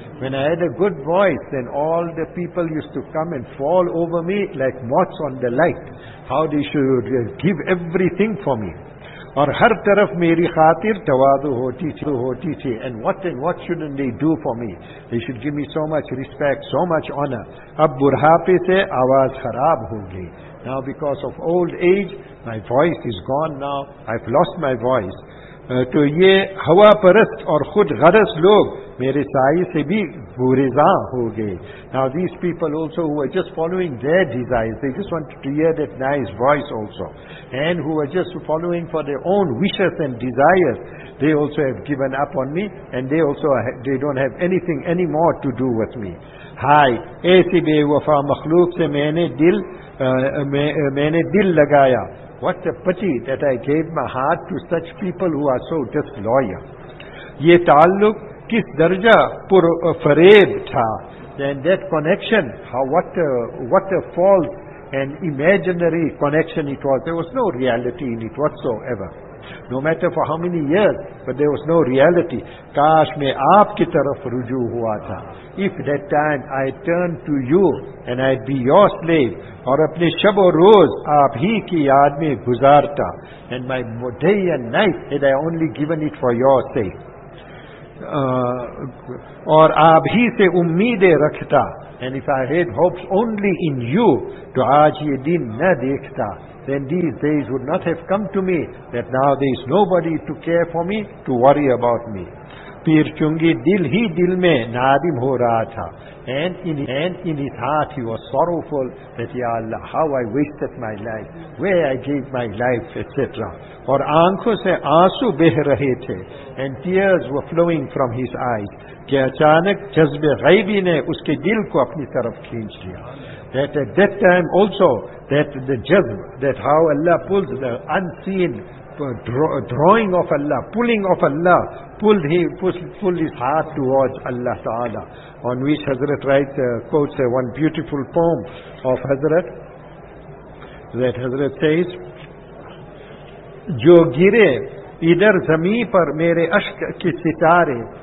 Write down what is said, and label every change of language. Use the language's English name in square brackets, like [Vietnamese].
[English] When I had a good voice, then all the people used to come and fall over me like moths on the light. How they should give everything for me. [Urdu] اور ہر طرف میری خاطر تواضع ہوتی تھی and what shouldn't they do for me? [English] They should give me so much respect, so much honor. [Urdu] اب بڑھاپے سے آواز خراب ہو گئی. [English] Now because of old age, my voice is gone now. I've lost my voice. [Urdu] تو یہ ہوا پرست اور خود غرض لوگ میرے سائے سے بھی گریزاں ہو گئے. [English] Now these people also who are just following their desires, they just want to hear that nice voice also. And who are just following for their own wishes and desires, they also have given up on me and they don't have anything anymore to do with me. [Urdu] ہائے ایسی بے وفا مخلوق سے میں نے دل لگایا. [English] What a pity that I gave my heart to such people who are so disloyal. [Urdu] یہ تعلق کس درجہ پر فریب تھا. [English] Then that connection, what a false and imaginary connection it was. There was no reality in it whatsoever. No matter for how many years, but there was no reality. [Urdu] کاش میں آپ کی طرف رجوع ہوا تھا. [English] If that time I turned to you and I'd be your slave, اور اپنے شب و روز آپ ہی کی یاد میں گزارتا. And my day and night had I only given it for your sake. [Urdu] اور آپ ہی سے امیدیں رکھتا. [English] And if I had hopes only in you, تو آج یہ دن نہ دیکھتا. Then these days would not have come to me, that now there is nobody to care for me, to worry about me. [Urdu] پیر چنگی دل ہی دل میں نادم ہو رہا تھا. [English] And in his heart he was sorrowful that, Ya Allah, how I wasted my life, where I gave my life, etc. [Urdu] اور آنکھوں سے آنسو بہ رہے تھے. [English] And tears were flowing from his eyes. [Urdu] کہ اچانک جذب غیبی نے اس کے دل کو اپنی طرف کھینچ لیا. [English] That at that time also, that the jazb, that how Allah pulls the unseen, drawing of Allah, pulling of Allah, pulled his heart towards Allah Ta'ala. On which Hazrat writes, quotes one beautiful poem of Hazrat, that Hazrat says, جو گرے ادھر زمین پر میرے اشک کے ستارے.